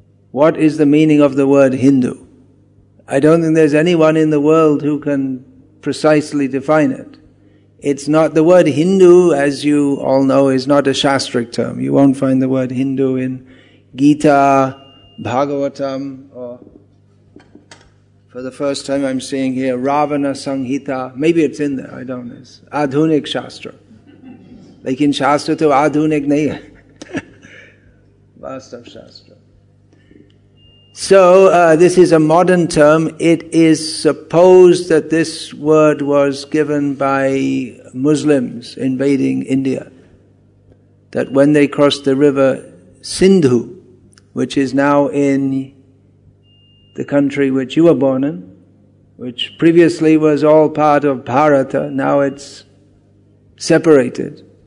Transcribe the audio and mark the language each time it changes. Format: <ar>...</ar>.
<en>What is the meaning of the word Hindu? I don't think there's anyone in the world who can precisely define it. It's not the word Hindu, as you all know, is not a Shastric term. You won't find the word Hindu in Gita, Bhagavatam, or for the first time I'm seeing here, Ravana Sanghita. Maybe it's in there, I don't know.</en> <hi>It's आधुनिक शास्त्र.</hi> <en>Like in</en> <hi>शास्त्र तो आधुनिक नहीं है. वास्तव शास्त्र.</hi> <en>So this is a modern term. It is supposed that this word was given by Muslims invading India. That when they crossed the river Sindhu, which is now in the country which you were born in, which previously was all part of Bharata, now it's separated.</en>